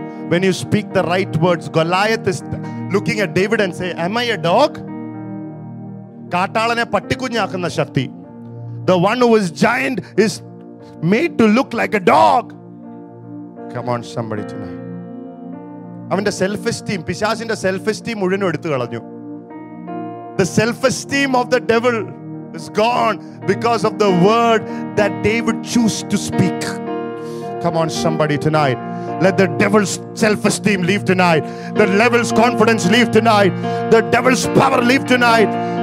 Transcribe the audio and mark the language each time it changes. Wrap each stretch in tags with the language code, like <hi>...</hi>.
<en>When you speak the right words, Goliath is looking at David and say, am I a dog?</en> <ml>കാട്ടാളനെ പട്ടിക്കുഞ്ഞാക്കുന്ന Shakti.</ml> <en>The one who is giant is made to look like a dog. Come on, somebody tonight.</en> <ml>അവന്റെ self esteem, പിശാസിന്റെ self esteem മുഴുവൻ എടുത്തു കളഞ്ഞു.</ml> <en>The self-esteem of the devil is gone because of the word that David chose to speak. Come on, somebody tonight. Let the devil's self-esteem leave tonight. The devil's confidence leave tonight. The devil's power leave tonight.</en>